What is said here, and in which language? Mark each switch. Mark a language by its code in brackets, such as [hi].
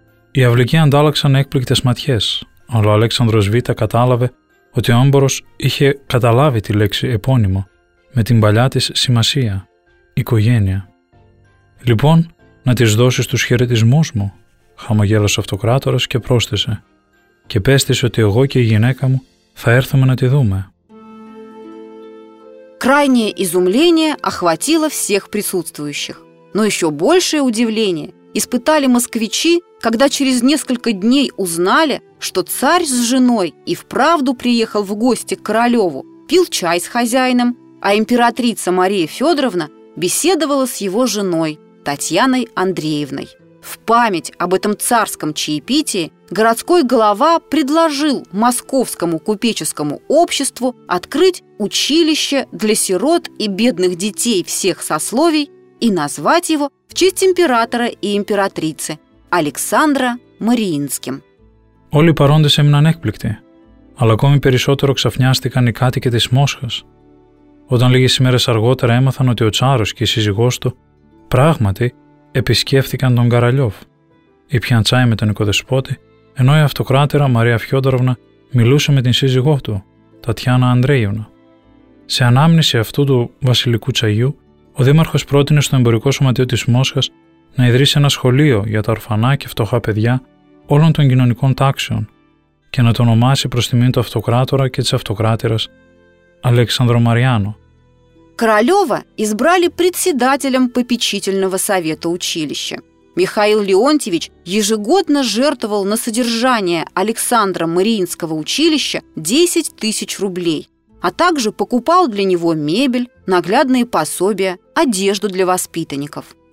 [el] Οι αυλικοί αντάλλαξαν έκπληκτες ματιές, αλλά ο Αλέξανδρος Β κατάλαβε ότι ο έμπορος είχε καταλάβει τη λέξη επώνυμο με την παλιά της σημασία: οικογένεια. «Λοιπόν, να τις δώσεις τους χαιρετισμούς μου», χαμογέλασε ο αυτοκράτορας και πρόσθεσε: «και πες της ότι εγώ και η γυναίκα μου θα έρθουμε να τη δούμε». [ru] Крайнее изумление охватило всех присутствующих. Но еще большее удивление испытали москвичи, когда через несколько дней узнали, что царь с женой и вправду приехал в гости к Королеву, пил чай с хозяином, а императрица Мария Федоровна беседовала с его женой Татьяной Андреевной. В память об этом царском чаепитии городской глава предложил московскому купеческому обществу открыть училище для сирот и бедных детей всех сословий и назвать его в честь императора и императрицы Александра Мариинским. [el] Όλοι οι παρόντες έμειναν έκπληκτοι, αλλά ακόμη περισσότερο ξαφνιάστηκαν οι κάτοικοι της Μόσχας, όταν λίγες ημέρες αργότερα έμαθαν ότι ο τσάρος και η σύζυγός του πράγματι επισκέφθηκαν τον Καραλιόφ ή πιαν τσάι με τον οικοδεσπότη, ενώ η αυτοκράτερα Μαρία Φιόδωροβνα μιλούσε με την σύζυγό του, Τατιάνα Ανδρέιωνα. Σε ανάμνηση αυτού του βασιλικού τσαγιού, ο δήμαρχος πρότεινε στο εμπορικό σωματείο της Μόσχας να ιδρύσει ένα σχολείο για τα ορφανά και φτωχά παιδιά όλων των κοινωνικών τάξεων και να το ονομάσει προς τιμήν του αυτοκράτορα και της αυτοκράτερας Αλέξανδρο Μαριάνο. [ru] Королева избрали председателем попечительного совета училища. Михаил Леонтьевич ежегодно жертвовал на содержание Александра Мариинского училища 10 тысяч рублей, а также покупал для него мебель, наглядные пособия, одежду для воспитанников.